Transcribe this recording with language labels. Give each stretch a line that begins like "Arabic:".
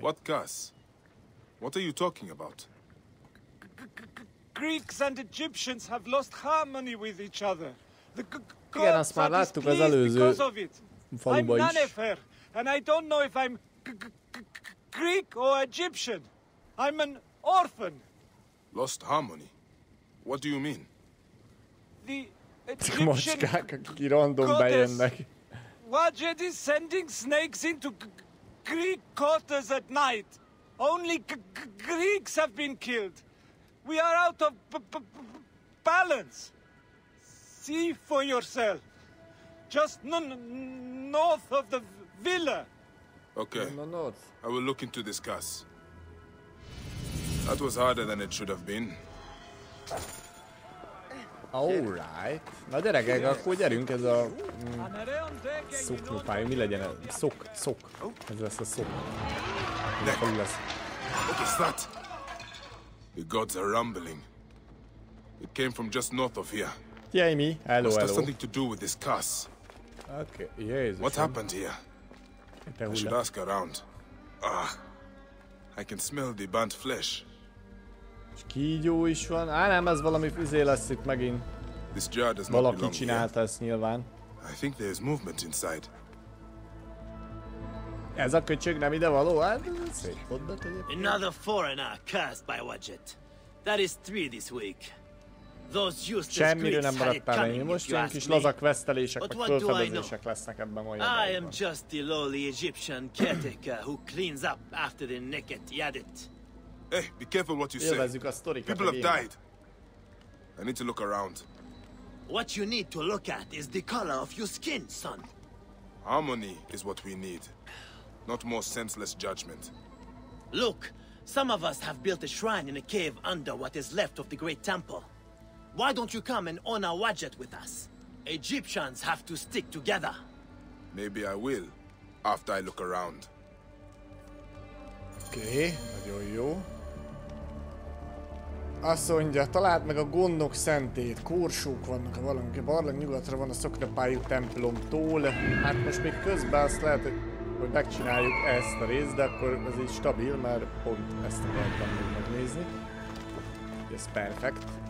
English: What curse? What are you talking about? Greeks and Egyptians have lost harmony with each other. The
Hungarian: Igen, azt már láttuk az előző faluba is.
English: I'm Nanefer, and I don't know if I'm Greek or Egyptian. I'm an orphan. Lost harmony? What do you mean? The Egyptian goddess Wajed is sending snakes into Greek quarters at night. Only Greeks have been killed. We are out of balance. See for yourself. Just north of the villa. Okay. I will look into this gas. That was harder than it should have been. Alright.
Hungarian: Na gyerekek, akkor gyerünk, ez a szoknyupály, mi legyen ez? Szok. Ez lesz a szok. Hol lesz?
English: What is that? The gods are rumbling. It came from just north of here. Jamie, hello. Must have something to do with this curse. Okay, Jesus. What happened here? I should ask around. Ah, I can smell the burnt flesh.
Hungarian: És kígyó is van. Á, nem, ez valami füzé lesz itt megint.
English: This jar does not belong here.
Hungarian: Valaki csinálta ezt nyilván.
English: I think there is movement inside.
Hungarian: Ez a köcsög nem ide való, hát szép mondat egyébként.
English: Another foreigner cursed by Wajet. That is three this week. Those useless
Hungarian: semmiről nem maradt el ennyi. Most ilyen kis laza questelések, meg felfedezések lesznek ebben a jövőben.
English: I am just the lowly Egyptian caretaker who cleans up after the naked yadit. Hey, be careful what you say.
Hungarian: Élvezzük a sztorikat.
English: People have died. I need to look around. What you need to look at is the color of your skin, son. Harmony is what we need. Not more senseless judgment. Look, some of us have built a shrine in a cave under what is left of the great temple. Why don't you come and honor Wajet with us? Egyptians have to stick together. Maybe I will, after I look around.
Hungarian: Okay, nagyon jó. Azt mondja, találd meg a gondok szentét. Korsók vannak a valami barlang nyugatra van a szoknyapályú templomtól. Hát most még közben azt lehet, hogy megcsináljuk ezt a részt, de akkor ez így stabil, mert pont ezt akartam még megnézni. Ez perfekt.